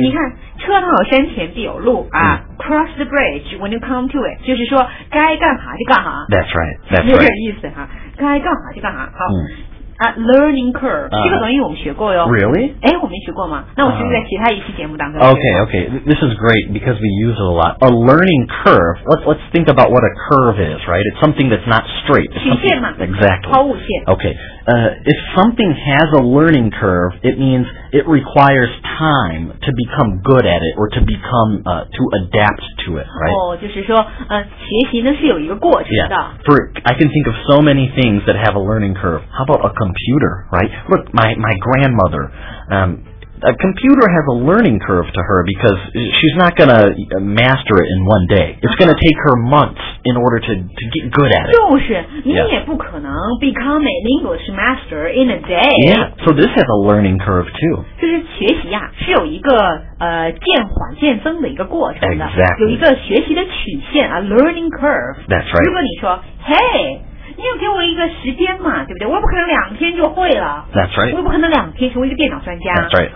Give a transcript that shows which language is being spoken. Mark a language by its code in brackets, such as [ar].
[zh] 你看车到山前必有路啊、 [en] cross the bridge when you come to it， [zh] 就是说该干啥就干啥。 [en] That's right [zh] 有点意思哈、该干啥就干啥。好、learning curve 这个短语我们学过哟。 [en] Really？ [zh] 哎，我没学过吗？那我是不是在其他一期节目当中 [en] ？Okay. This is great because we use it a lot. A learning curve. Let's think about what a curve is, right? It's something that's not straight. [zh] 曲线嘛。 [en] Exactly. [zh] 抛物线。 [en] Okay. If something has a learning curve, it means it requires time to become good at it or to become to adapt to it, right? [zh] 哦，就是说，学习呢是有一个过程的。 [en] Yeah. For I can think of so many things that have a learning curve. How about a computer, right? Look, my grandmother, a computer has a learning curve to her because she's not going to master it in one day. It's going to take her months in order to get good at it. [zh] 就是你也不可能 [en] become an English master in a day. Yeah, so this has a learning curve too. [zh] 就是学习啊是有一个渐缓渐增的一个过程的。 [en] Exactly. [zh] 有一个学习的曲线 a learning curve. [en] That's right. [zh] 如果你说 hey,你要给我一个时间嘛，对不对？我也不可能两天就会了。 [en] That's right. [zh] 我也不可能两天成为一个电脑专家。 [en] That's right.